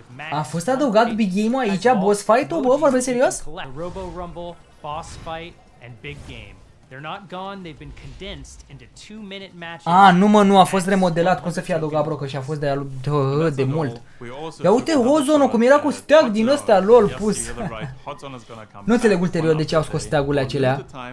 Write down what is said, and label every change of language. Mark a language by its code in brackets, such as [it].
[ro] A fost adăugat Big Game-ul aici, boss fight-ul, bă, vorbesc serios? [en] Boss fight and big game. They're not gone, they've been condensed into 2 minute matches. [ro] Ah, nu mă, nu a fost remodelat, cum să fie adăugat, bro, că și a fost de mult. Ia uite Hotzone-ul cum era cu steag din ăstea, lol, pus. Nu înțeleg ulterior de ce au scos steagurile acelea.